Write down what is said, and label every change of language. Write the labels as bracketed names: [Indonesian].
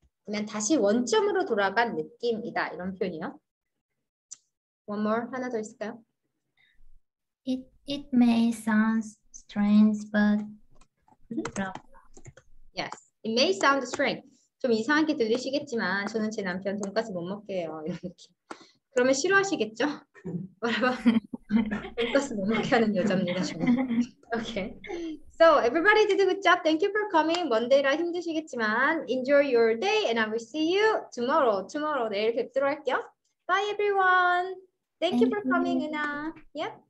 [Korean] 그러면 다시 원점으로 돌아간 느낌이다. 이런 표현이요. [English] One more. [Korean] 하나 더 있을까요? [English] It may sound strange, but Yes. It may sound strange. [Korean] 좀 이상하게 들리시겠지만 저는 제 남편 돈까스 못 먹게요. 이런 느낌. 그러면 싫어하시겠죠? 뭐라고? 돈까스 못 먹게 하는 여자입니다, 저는. 오케이. [English] Okay. So everybody did a good job. Thank you for coming. Monday라 [Korean] 힘드시겠지만 [English] enjoy your day and I will see you tomorrow. Tomorrow [Korean] 내일 뵙도록 할게요. [English] Bye everyone. Thank you for coming, 은하. Yep.